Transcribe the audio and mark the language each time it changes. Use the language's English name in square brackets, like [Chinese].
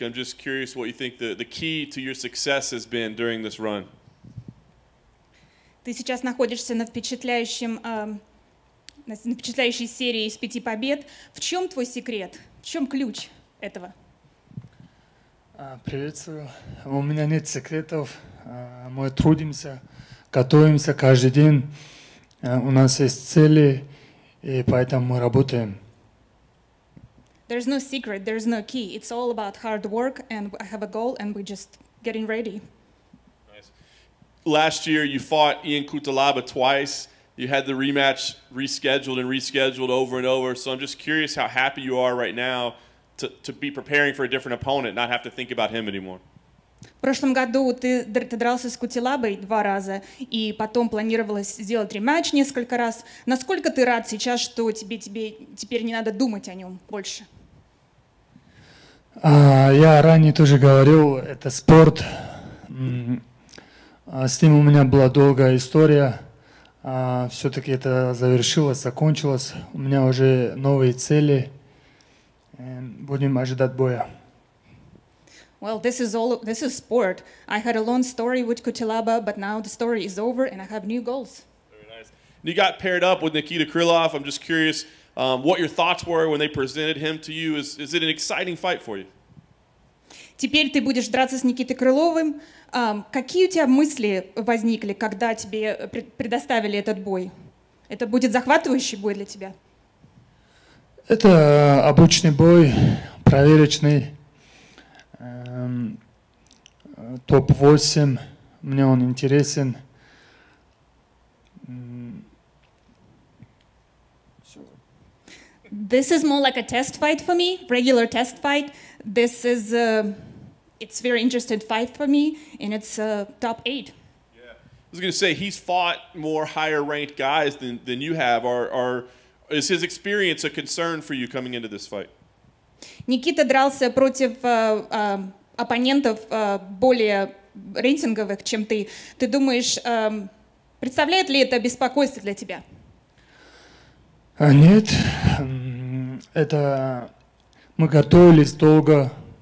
[English] I'm just curious what you think the key to your success has been during this run. [Russian] Ты сейчас находишься на впечатляющем на впечатляющей серии из пяти побед. В чем твой секрет? В чем ключ этого? Приветствую. У меня нет секретов. Мы трудимся, готовимся каждый день. У нас есть цели, и поэтому мы работаем. [English] There's no secret, there's no key. It's all about hard work, and I have a goal, and we're just getting ready. Nice. Last year, you fought Ian Kutalaba twice. You had the rematch rescheduled and rescheduled over and over. So I'm just curious how happy you are right now to be preparing for a different opponent, not have to think about him anymore. [Russian] В прошлом году ты дрался с Кутилабой два раза, и потом планировалось сделать рематч несколько раз. Насколько ты рад сейчас, что тебе теперь не надо думать о нем больше? Я ранее тоже говорил, это спорт. С ним у меня была долгая история. Все-таки это завершилось, закончилось. У меня уже новые цели. Будем ожидать боя. [English] Well, this is sport. I had a long story with Kutilaba, but now the story is over and I have new goals. Very nice. You got paired up with Nikita Krylov. I'm just curious what your thoughts were when they presented him to you. Is it an exciting fight for you? [Russian] Теперь ты будешь драться с Никитой Крыловым. Какие у тебя мысли возникли, когда тебе предоставили этот бой? Это будет захватывающий бой для тебя? Это обычный бой, проверочный. Топ-8, мне он интересен. [English] This is more like a test fight for me, regular test fight. This is, it's very interesting fight for me, and it's top 8. Yeah, I was going to say, he's fought more higher ranked guys than you have. Is his experience a concern for you coming into this fight? [Russian] Никита дрался против оппонентов более рейтинговых, чем ты. Ты думаешь, представляет ли это беспокойство для тебя? Нет. Это мы готовились долго.